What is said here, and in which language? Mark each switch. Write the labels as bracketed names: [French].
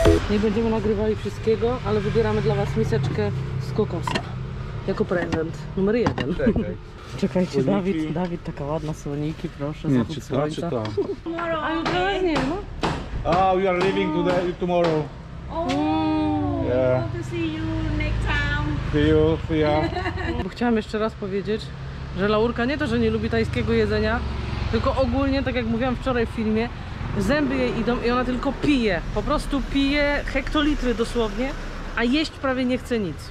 [Polish] Nie będziemy nagrywali wszystkiego, ale wybieramy dla was miseczkę z kokosa. jako prezent numer jeden. Tak. Czekajcie, słoniki. Dawid, taka ładna, słoniki, proszę. Nie, czy to, czy to? [English] Tomorrow. [Polish] A jutro was nie ma? [English] Ah, we are leaving today, tomorrow. Oh, yeah. To see you next time. See you, see ya. [Polish] Bo chciałam jeszcze raz powiedzieć, że Laurka nie to, że nie lubi tajskiego jedzenia, tylko ogólnie, tak jak mówiłam wczoraj w filmie, zęby jej idą i ona tylko pije. Po prostu pije hektolitry dosłownie, a jeść prawie nie chce nic.